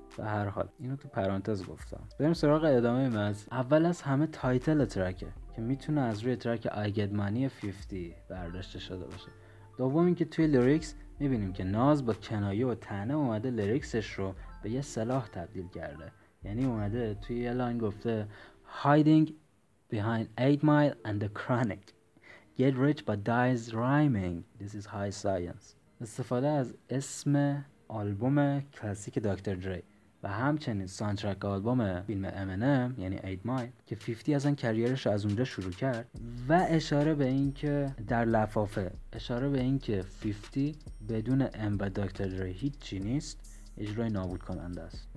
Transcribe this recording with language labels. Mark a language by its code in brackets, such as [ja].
[fa] به هر حال اینو تو پرانتز گفتم. بریم سراغ ادامه مطلب. اول از همه تایتل ترکه که میتونه از روی ترک I Get Money 50 برداشته شده باشه. دوم اینکه توی لیریکس میبینیم که ناز با کنایه و طعنه اومده لیریکسش رو به یه سلاح تبدیل کرده. یعنی اومده توی یه لاین گفته [en] Hiding behind 8 mile and the chronic, get rich but dies rhyming, this is high science. [fa] استفاده از اسم آلبوم کلاسیک دکتر دری و همچنین سانترک آلبوم فیلم M&M یعنی 8 مایل که 50 ازن کریرش از اونجا شروع کرد و اشاره به این که در لفافه اشاره به این که 50 بدون M و دکتر دری هیچی نیست اجرای نابود کننده است.